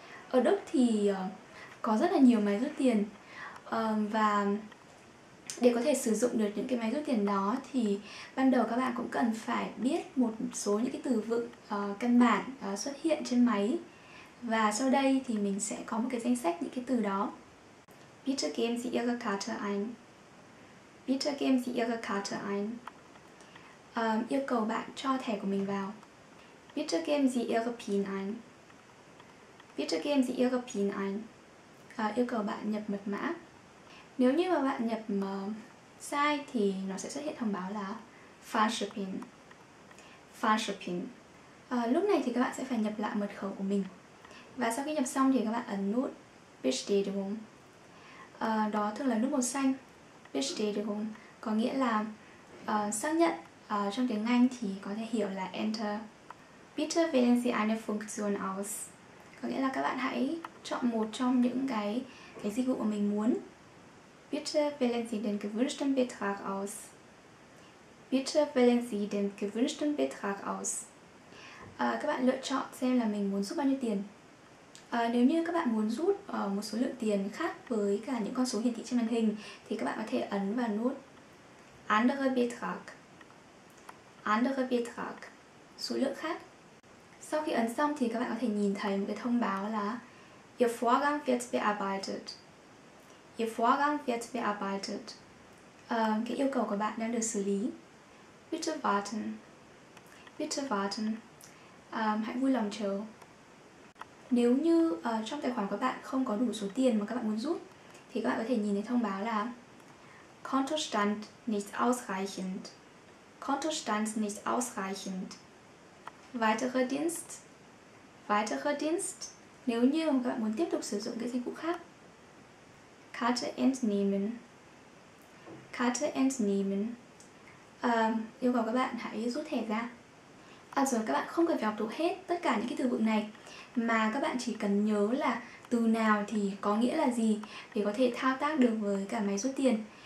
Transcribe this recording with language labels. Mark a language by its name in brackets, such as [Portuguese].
[Vietnamese] Ở Đức thì có rất là nhiều máy rút tiền, và để có thể sử dụng được những cái máy rút tiền đó thì ban đầu các bạn cũng cần phải biết một số những cái từ vựng căn bản xuất hiện trên máy. Và sau đây thì mình sẽ có một cái danh sách những cái từ đó. [German] Bitte geben Sie Ihre Karte ein. Bitte geben Sie Ihre Karte ein. [Vietnamese] Yêu cầu bạn cho thẻ của mình vào. [German] Bitte geben Sie Ihre PIN ein. Bitte geben Sie Ihre PIN ein. [Vietnamese] Yêu cầu bạn nhập mật mã. Nếu như mà bạn nhập sai thì nó sẽ xuất hiện thông báo là falsche PIN. Falsche PIN. Lúc này thì các bạn sẽ phải nhập lại mật khẩu của mình. Và sau khi nhập xong thì các bạn ấn nút Bestätigung. Đó thường là nút màu xanh. Bestätigung có nghĩa là xác nhận. Trong tiếng Anh thì có thể hiểu là Enter. [German] Bitte wählen Sie eine Funktion aus. [Vietnamese] Có nghĩa là các bạn hãy chọn một trong những cái dịch vụ mà mình muốn. [German] Bitte wählen Sie den gewünschten Betrag aus. Bitte wählen Sie den gewünschten Betrag aus. [Vietnamese] Các bạn lựa chọn xem là mình muốn rút bao nhiêu tiền. Nếu như các bạn muốn rút một số lượng tiền khác với cả những con số hiển thị trên màn hình thì các bạn có thể ấn vào nút Andere Betrag. Andere Betrag. Số lượng khác. Sau khi ấn xong thì các bạn có thể nhìn thấy một cái thông báo là [German] Ihr Vorgang wird bearbeitet. Ihr Vorgang wird bearbeitet. [Vietnamese] Cái yêu cầu của bạn đang được xử lý. [German] Bitte warten. Bitte warten. [Vietnamese] Hãy vui lòng chờ. Nếu như trong tài khoản của bạn không có đủ số tiền mà các bạn muốn rút, thì các bạn có thể nhìn thấy thông báo là [German] Kontostand nicht ausreichend. Kontostand nicht ausreichend. Weitere Dienst. Weitere Dienst. [Vietnamese] Nếu như các bạn muốn tiếp tục sử dụng cái dịch vụ khác. [German] Karte entnehmen. Karte entnehmen. [Vietnamese] Yêu cầu các bạn hãy rút thẻ ra. Also, các bạn không cần phải học thuộc hết tất cả những cái từ vựng này, mà các bạn chỉ cần nhớ là từ nào thì có nghĩa là gì để có thể thao tác được với cả máy rút tiền.